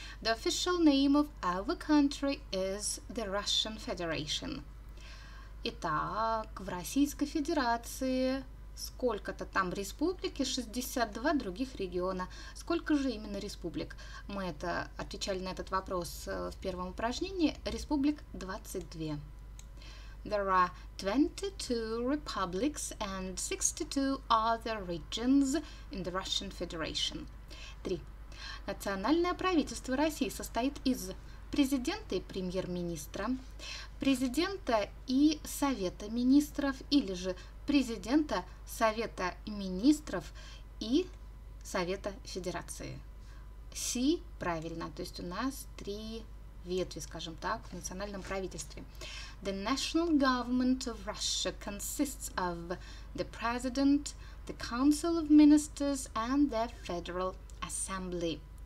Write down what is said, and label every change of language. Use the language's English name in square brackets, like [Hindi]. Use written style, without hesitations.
[English] The official name of our country is the Russian Federation. [Russian] Итак, в Российской Федерации сколько-то там республики, 62 других региона. Сколько же именно республик? Мы это отвечали на этот вопрос в первом упражнении. Республик 22. [English] There are 22 republics and 62 other regions in the Russian Federation. [Russian] 3. Национальное правительство России состоит из президента и премьер-министра, президента и совета министров, или же президента, совета министров и совета федерации. Си правильно, то есть у нас три ветви, скажем так, в национальном правительстве. [English] The national government of Russia consists of the president, the council of ministers and the federal assembly.